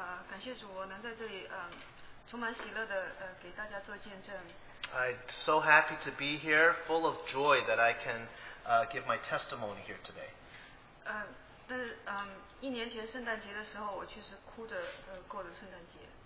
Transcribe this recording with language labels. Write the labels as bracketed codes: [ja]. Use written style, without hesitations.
[zh] 感谢主，我能在这里充满喜乐的给大家做见证。 [en] I'm so happy to be here, full of joy that I can give my testimony here today. [zh] 一年前圣诞节的时候，我确实哭着过了圣诞节。